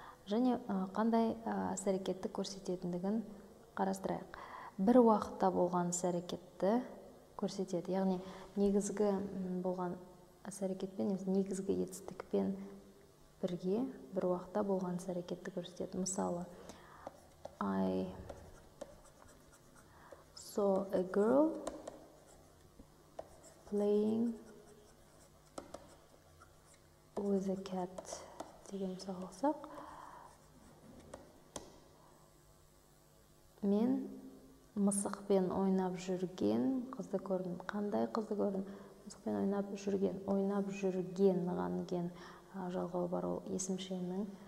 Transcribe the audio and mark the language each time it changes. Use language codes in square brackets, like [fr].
[kk] және қандай әрекетті көрсететіндігін қарастырайық. Бір уақытта болған әрекетті көрсетеді. Яғни негізгі болған әрекетпен, негізгі етістікпен бірге бір уақытта болған әрекетті көрсетеді. Мысалы, [en] I saw a girl playing with a cat. [kk] Деген сұралсақ, мен мысықпен ойнап жүрген қызды көрдім. Қандай қызды көрдім? Мысықпен ойнап жүрген, ғанген жалғау бар ол есімшенің.